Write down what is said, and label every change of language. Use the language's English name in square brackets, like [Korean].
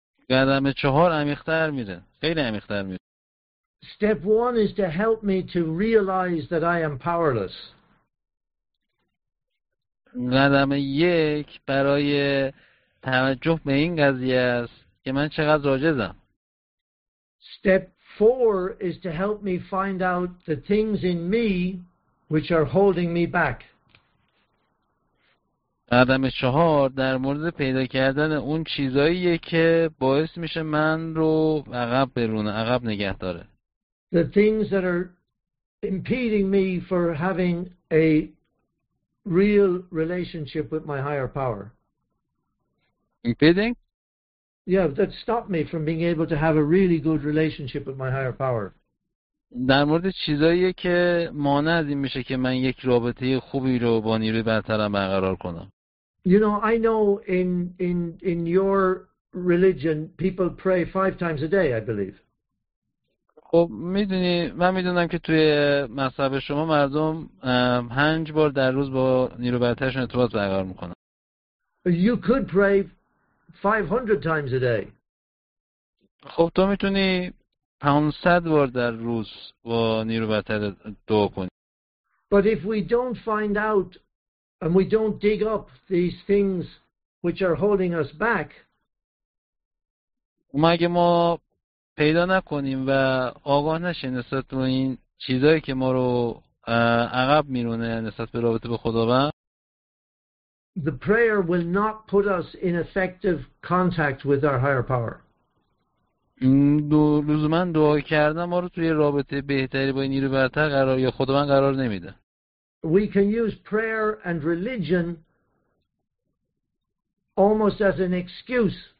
[Persian] قدم 4 عمیق‌تر میره. خیلی عمیق‌تر میره. [English] Step 1 is to help me to realize that I am powerless. [Persian] قدم 1 برای توجه به این قضیه است که من چقدر عاجزم. [English] Step 4 is to help me find out the things in me which are holding me back. [Persian] قدم 4 در مورد پیدا کردن اون چیزاییه که باعث میشه من رو عقب برونه، عقب نگه داره. [English] The things that are impeding me for having a real relationship with my higher power. Impeding? Yeah, that stopped me from being able to have a really good relationship with my higher power. [Persian] در مورد چیزاییه که مانع از این میشه که من یک رابطه خوبی رو با نیروی برترم برقرار کنم. [English] You know, I know in your religion people pray 5 times a day, I believe. [Persian] خب میدونی من میدونم که توی مذهب شما مردم 5 بار در روز با نیرو برترشون ارتباط برقرار میکنن. [English] You could pray 500 times a day. [Persian] خب تو میتونی 500 بار در روز با نیرو برتر دعا کنی. [English] But if we don't find out and we don't dig up these things which are holding us back. [Persian] مگه ما پیدا نکنیم و آگاه نشیم نسبت به این چیزایی که ما رو عقب میرونه نسبت به رابطه به خداوند. [English] The prayer will not put us in effective contact with our higher power. [Persian] لزوماً دعا کردن ما رو توی رابطه بهتری با نیروی برتر قرار یا خداوند قرار نمیده. [English] We can use prayer and religion almost as an excuse.